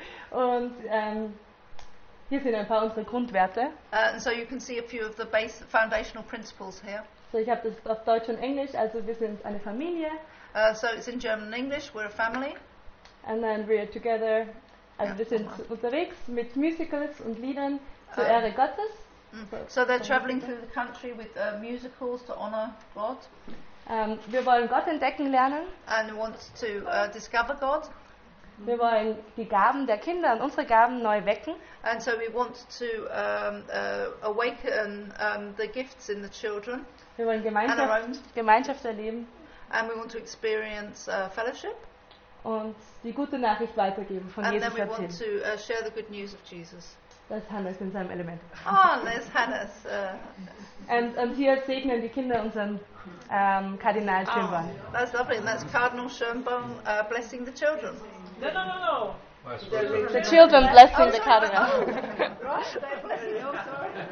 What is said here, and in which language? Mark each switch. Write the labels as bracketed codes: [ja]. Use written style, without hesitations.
[de] Und hier sind ein paar unserer Grundwerte. [en] And so you can see a few of the base foundational principles here. [de] So ich habe das auf Deutsch und Englisch. Also wir sind eine Familie. [en] So it's in German and English. We're a family. And then we are together. [de] Also wir sind unterwegs mit Musicals und Liedern zur Ehre Gottes. [en] So they're traveling through the country with musicals to honor God. [de] Wir wollen Gott entdecken lernen. [en] And want to discover God. [de] Wir wollen die Gaben der Kinder und unsere Gaben neu wecken. [en] And so we want to awaken the gifts in the children. [de] Wir wollen Gemeinschaft erleben. [en] And we want to experience fellowship. [de] Und die gute Nachricht weitergeben von [en] and [de] Jesus erzählen. [en] And then we want to share the good news of Jesus. [de] Das Hannes in seinem Element. [en] Oh, there's Hannes. [de] And hier segnen die Kinder unseren Kardinal Schönborn. [en] Oh, that's lovely. And that's Cardinal Schönborn blessing the children. No. The children blessing the Cardinal. Right, they're blessing you, sorry.